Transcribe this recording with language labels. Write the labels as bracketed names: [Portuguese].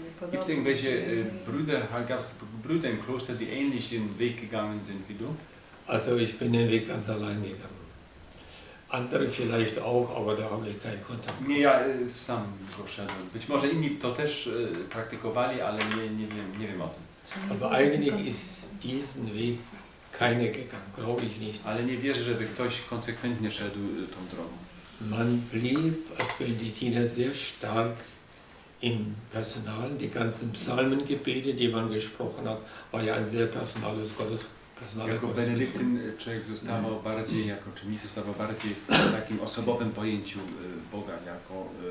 [German] Gibt es irgendwelche Brüder, gab es Brüder im Kloster, die ähnlich den Weg gegangen sind wie du? Also ich bin den Weg ganz allein gegangen. Andere vielleicht auch, aber da habe ich keinen Kontakt. [Polish] Nie, ja sam poszedłem. Być może inni to też praktykowali, ale nie wiem o tym. [German] Aber eigentlich ist diesen Weg keiner gegangen, glaube ich nicht. [Polish] Ale nie wierzę, żeby ktoś konsekwentnie szedł tą drogą. [German] Man blieb als Benediktiner sehr stark im Personal. Die ganzen Psalmengebete, die man gesprochen hat, war ja ein sehr personales Gottes. [Polish] Jako Benedyktyn człowiek zostawał bardziej, jako czy mi zostawał bardziej w takim osobowym pojęciu Boga, jako...